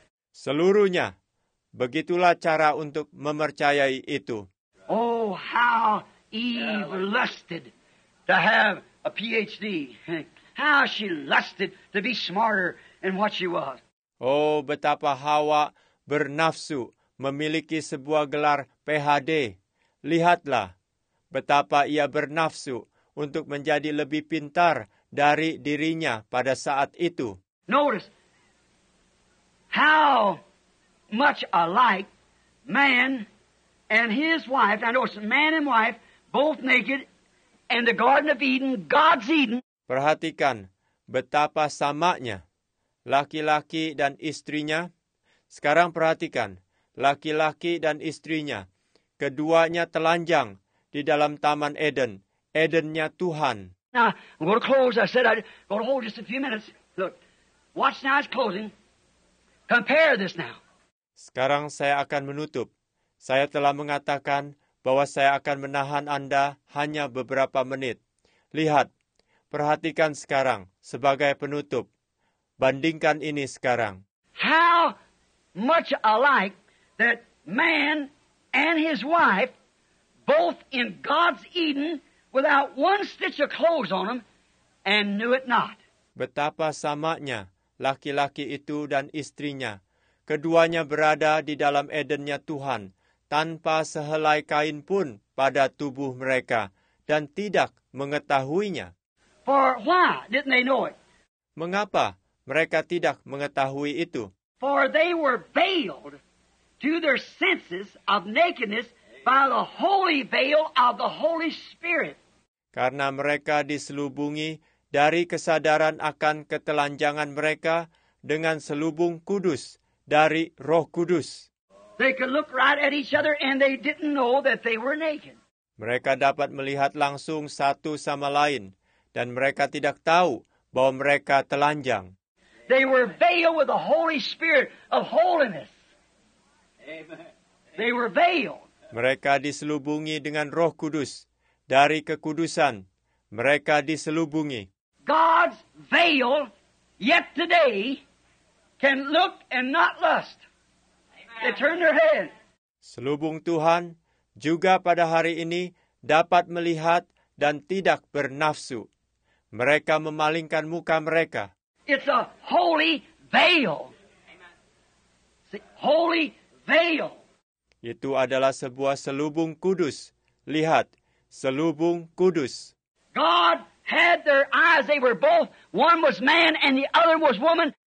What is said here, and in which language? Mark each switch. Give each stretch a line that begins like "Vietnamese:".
Indonesian: Seluruhnya, begitulah cara untuk mempercayai itu.
English: Oh, how Eve lusted to have a PhD. How she lusted to be smarter than what she was.
Indonesian: Oh, betapa Hawa bernafsu memiliki sebuah gelar PhD. Lihatlah betapa ia bernafsu untuk menjadi lebih pintar dari dirinya pada saat itu.
English: Notice how much alike man and his wife, and notice man and wife both naked in the Garden of Eden, God's Eden.
Indonesian: Perhatikan betapa samanya laki-laki dan istrinya. Sekarang perhatikan laki-laki dan istrinya. Keduanya telanjang di dalam Taman Eden. Edennya Tuhan.
English: Now, I'm going to close. I said I'd go to hold just a few minutes. Look, watch now, it's closing. Compare this now.
Indonesian: Sekarang saya akan menutup. Saya telah mengatakan bahwa saya akan menahan Anda hanya beberapa menit. Lihat, perhatikan sekarang sebagai penutup. Bandingkan ini sekarang.
English: How much alike that man and his wife, both in God's Eden, without one stitch of clothes on them, and knew it not.
Indonesian: Betapa samanya laki-laki itu dan istrinya. Keduanya berada di dalam Edennya Tuhan, tanpa sehelai kain pun pada tubuh mereka, dan tidak mengetahuinya.
English: For why didn't they know it?
Indonesian: Mengapa mereka tidak mengetahui itu?
English: For they were veiled to their senses of nakedness by the holy veil of the Holy Spirit.
Indonesian: Karena mereka diselubungi dari kesadaran akan ketelanjangan mereka dengan selubung kudus dari Roh Kudus.
English: They could look right at each other and they didn't know that they were naked.
Indonesian: Mereka dapat melihat langsung satu sama lain dan mereka tidak tahu bahwa mereka telanjang.
English: They were veiled with the Holy Spirit of holiness. They were veiled.
Indonesian: Mereka diselubungi dengan Roh Kudus dari kekudusan. Mereka diselubungi.
English: God's veil yet today can look and not lust. They turn their head.
Indonesian: Selubung Tuhan juga pada hari ini dapat melihat dan tidak bernafsu. Mereka memalingkan muka mereka.
English: It's a holy veil. Holy veil.
Indonesian: Itu adalah sebuah selubung kudus. Lihat, selubung kudus.
English: God had their eyes. They were both, one was man and the other was woman.